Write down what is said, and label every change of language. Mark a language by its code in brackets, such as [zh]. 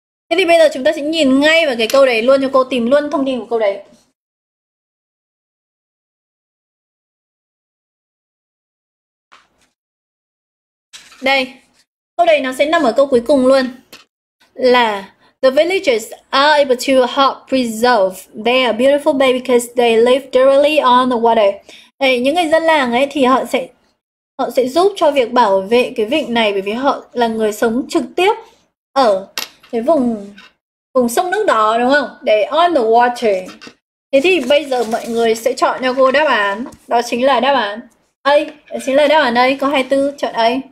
[vi] Thế thì bây giờ chúng ta sẽ nhìn ngay vào cái câu đấy luôn cho cô, tìm luôn thông tin của câu đấy. Đây, câu đấy nó sẽ nằm ở câu cuối cùng luôn. Là [en] the villagers are able to help preserve their beautiful bay because they live directly on the water. [vi] Đây, những người dân làng ấy thì họ sẽ giúp cho việc bảo vệ cái vịnh này bởi vì họ là người sống trực tiếp ở cái vùng vùng sông nước đó đúng không? Để [en] on the water. [vi] Thế thì bây giờ mọi người sẽ chọn cho cô đáp án. Đó chính là đáp án A. Đó chính là đáp án A. Có 24 chọn A.